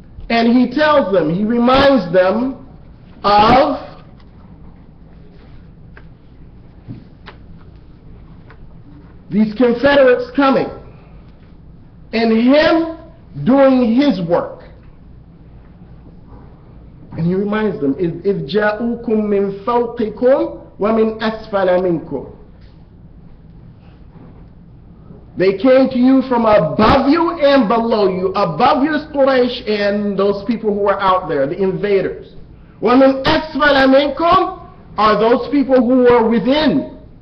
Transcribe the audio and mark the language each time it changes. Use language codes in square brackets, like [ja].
[en] And he tells them, he reminds them of these confederates coming and him doing his work. And he reminds them, [ar] إِذْ جَاءُكُمْ مِنْ فَوْقِكُمْ وَمِنْ أَسْفَلَ مِنْكُمْ. [en] They came to you from above you and below you. Above you is Quraysh and those people who were out there, the invaders. [ar] وَمِنْ أَسْفَلَ مِنْكُمْ [en] are those people who were within.